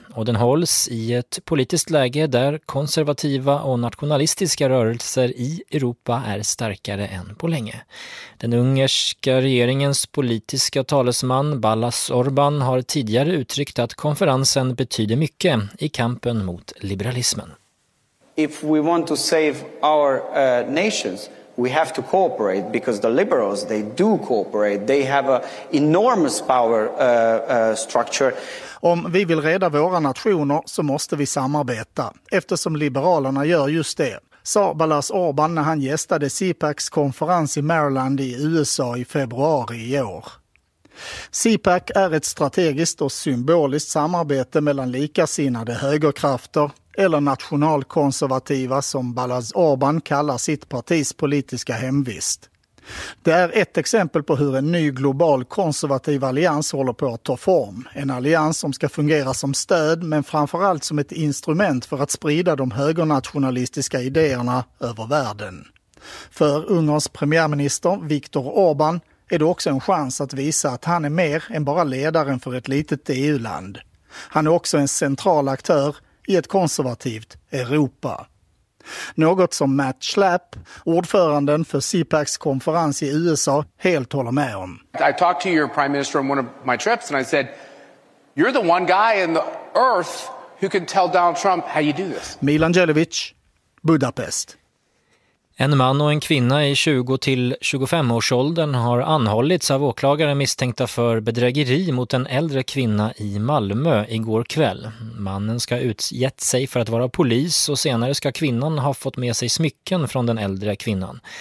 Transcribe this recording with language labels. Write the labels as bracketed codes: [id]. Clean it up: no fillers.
[sv] Och den hålls i ett politiskt läge där konservativa och nationalistiska rörelser i Europa är starkare än på länge. Den ungerska regeringens politiska talesman Balázs Orbán har tidigare uttryckt att konferensen betyder mycket i kampen mot liberalismen. [en] If we want to save our nations, we have to cooperate, because the liberals, they do cooperate. They have an enormous power structure. [sv] Om vi vill rädda våra nationer så måste vi samarbeta, eftersom liberalerna gör just det, sa Balázs Orbán när han gästade CPACs konferens i Maryland i USA i februari i år. CPAC är ett strategiskt och symboliskt samarbete mellan likasinnade högerkrafter, eller nationalkonservativa som Balázs Orbán kallar sitt partis politiska hemvist. Det är ett exempel på hur en ny global konservativ allians håller på att ta form. En allians som ska fungera som stöd, men framförallt som ett instrument för att sprida de högernationalistiska idéerna över världen. För Ungerns premiärminister Viktor Orbán är det också en chans att visa att han är mer än bara ledaren för ett litet EU-land. Han är också en central aktör i ett konservativt Europa. Något som Matt Schlapp, ordföranden för CPACs konferens i USA, helt håller med om. [en] I talked to your prime minister on one of my trips and I said, you're the one guy in the earth who can tell Donald Trump how you do this. [sv] Milan Jelovic, Budapest. En man och en kvinna i 20-25-årsåldern har anhållits av åklagare misstänkta för bedrägeri mot en äldre kvinna i Malmö igår kväll. Mannen ska utgett sig för att vara polis och senare ska kvinnan ha fått med sig smycken från den äldre kvinnan.